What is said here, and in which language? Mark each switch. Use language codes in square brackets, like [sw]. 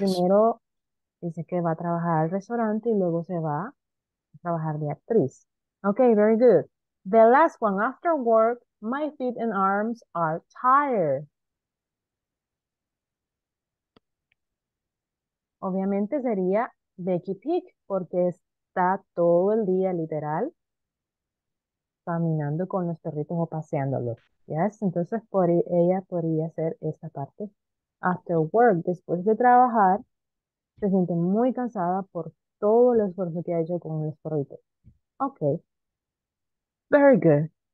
[es] Primero dice que va a trabajar al restaurante y luego se va a trabajar de actriz. [en] Okay, very good. The last one. After work, my feet and arms are tired. [es] Obviamente sería Becky Peak porque está todo el día literal caminando con los perritos o paseándolos. Yes, entonces ella podría hacer esta parte. [en] After work, [es] después de trabajar, se siente muy cansada por todo el esfuerzo que ha hecho con los perritos. Ok. [en] Very good.